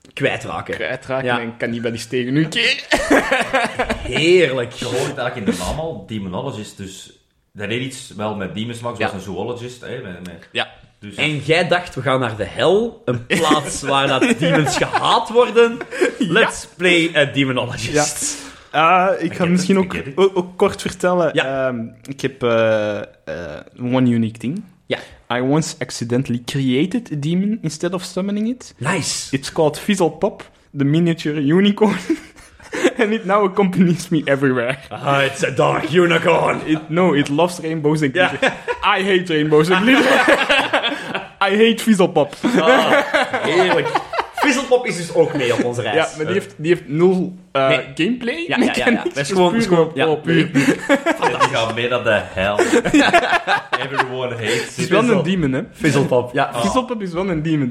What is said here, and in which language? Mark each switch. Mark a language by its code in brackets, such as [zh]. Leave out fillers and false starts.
[nl] Kwijtraken. Ja. En kan niet bij die stegen nu. Heerlijk. Je hoort eigenlijk in de naam al, demonologist, dus... Dat deed iets wel met demons maken, zoals een zoologist. Hè, Dus, en jij dacht, we gaan naar de hel, een plaats waar dat demons gehaat worden. [en] Let's play a demonologist. [nl] Ja. Ik ga misschien ook kort vertellen. Ja. Ik heb [en] one unique thing. [nl] Ja. [en] I once accidentally created a demon instead of summoning it. Nice. It's called Fizzle Pop, the miniature unicorn. And it now accompanies me everywhere. Ah, it's a dark unicorn. It loves rainbows and glitter. Yeah. I hate rainbows and glitter. I hate Fizzlepop. [nl] Ah, heerlijk. Fizzlepop is dus ook mee op onze reis. Ja, maar die heeft nul gameplay. Ja, mechanics. Ja, ja. Dat is gewoon puur. Ja, die gaat mee naar de hel. [en] Everyone hates [nl] Het is wel een demon, hè? Fizzlepop. Ja, Fizzlepop is wel een demon.